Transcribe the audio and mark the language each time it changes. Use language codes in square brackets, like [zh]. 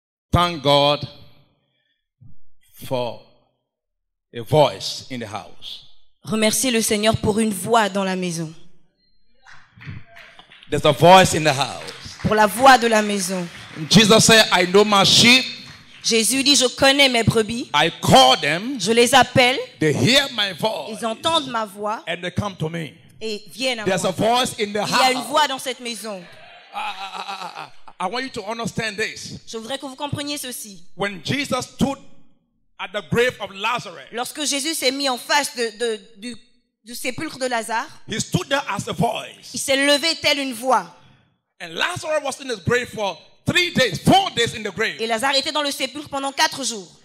[en] Thank God for a voice in the house. [fr] Remerciez le Seigneur pour une voix dans la maison. [en] There's a voice in the house. [fr] Pour la voix de la maison. [en] Jesus said, I know my sheep. [fr] Jésus dit, je connais mes brebis. [en] I call them, [fr] je les appelle. [en] They hear my voice, [fr] ils entendent ma voix. [en] And they come to me. [fr] Et viennent à [en] There's [fr] moi. [en] A voice in the [fr] Il Y a une voix dans cette maison. [en] I want you to understand this. [fr] Je voudrais que vous compreniez ceci. [en] When Jesus stood at the grave of Lazarus, [fr] lorsque Jésus s'est mis en face du sépulcre de Lazare, [en] he stood there as a voice. [fr] Il s'est levé tel une voix. [en] Et Lazarus [fr] était dans sa [en] grave pour 3 days, 4 days in the grave. [fr] Et Lazare était dans le sépulcre pendant 4 jours.